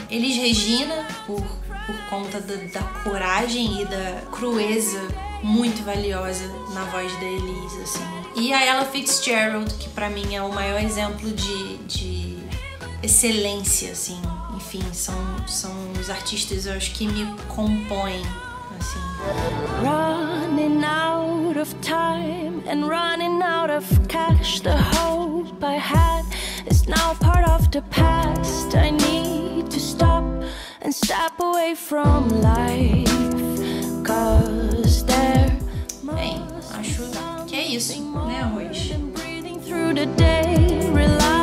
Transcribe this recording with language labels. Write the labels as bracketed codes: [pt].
[pt] Elis Regina, por conta da coragem e da crueza muito valiosa na voz da Elis, assim. E a Ella Fitzgerald, que pra mim é o maior exemplo de excelência, assim. Enfim, são os artistas, eu acho, que me compõem, assim. [en] Running out of time and running out of cash, the hope I had. It's now part of the past. I need to stop and step away from life. Cause there. [pt] Bem, acho que é isso, né, Arroz?